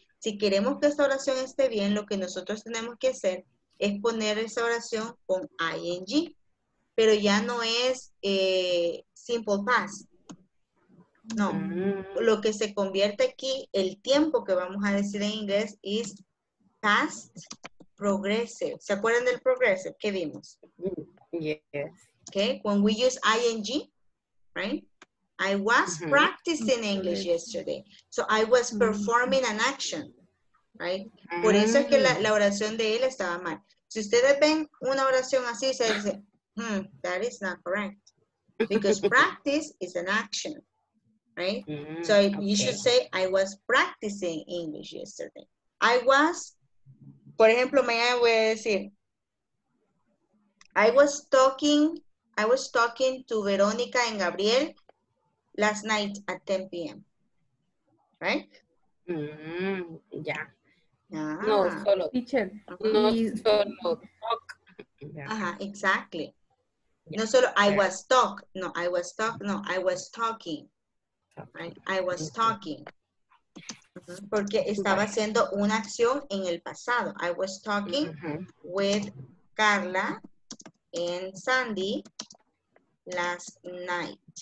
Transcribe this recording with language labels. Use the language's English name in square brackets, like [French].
[Spanish] Si queremos que esta oración esté bien, lo que nosotros tenemos que hacer es poner esa oración con ing. Pero ya no es simple past. No. Lo que se convierte aquí, el tiempo que vamos a decir en inglés, es past progressive. ¿Se acuerdan del progressive? ¿Qué vimos? [English] Yes. Okay. When we use ing, right? I was practicing English yesterday. So I was performing an action. Right? [Spanish] Por eso es que la oración de él estaba mal. Si ustedes ven una oración así, se dice, [English] that is not correct. Because practice is an action. Right? So you should say, I was practicing English yesterday. I was, [Spanish] por ejemplo, mañana voy a decir, [English] I was talking to Verónica and Gabriel last night at 10 p.m. Right? [Spanish] Ya. No, solo. [English] Teacher. [Spanish] No, solo. Talk. [English] Ajá, exactly. No solo I was talk. No, I was talk. No, I was talking. I was talking. [Spanish] Porque estaba haciendo una acción en el pasado. [English] I was talking with Carla and Sandy last night.